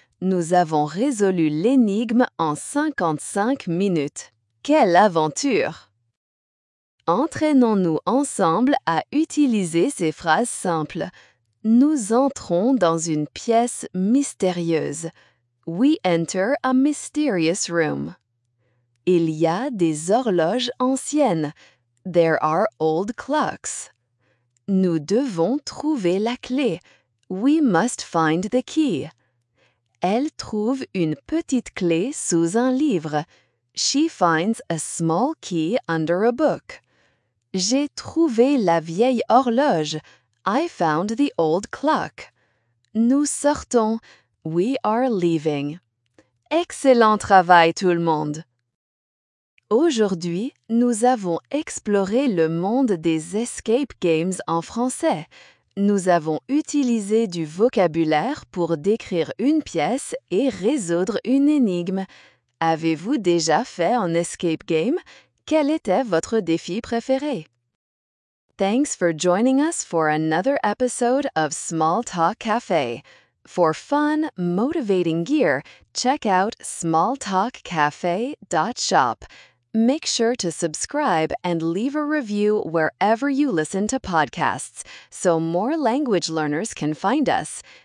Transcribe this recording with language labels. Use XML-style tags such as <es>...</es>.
<fr>Nous avons résolu l'énigme en 55 minutes. Quelle aventure! Entraînons-nous ensemble à utiliser ces phrases simples. Nous entrons dans une pièce mystérieuse.</fr> <en>We enter a mysterious room.</en> <fr>Il y a des horloges anciennes.</fr> <en>There are old clocks.</en> <fr>Nous devons trouver la clé.</fr> <en>We must find the key.</en> <fr>Elle trouve une petite clé sous un livre.</fr> <en>She finds a small key under a book.</en> <fr>J'ai trouvé la vieille horloge.</fr> <en>I found the old clock.</en> <fr>Nous sortons.</fr> <en>We are leaving.</en> <fr>Excellent travail, tout le monde! Aujourd'hui, nous avons exploré le monde des escape games en français. Nous avons utilisé du vocabulaire pour décrire une pièce et résoudre une énigme. Avez-vous déjà fait un escape game? Quel était votre défi préféré?</fr> <en>Thanks for joining us for another episode of Small Talk Cafe. For fun, motivating gear, check out smalltalkcafe.shop. Make sure to subscribe and leave a review wherever you listen to podcasts so more language learners can find us.</en>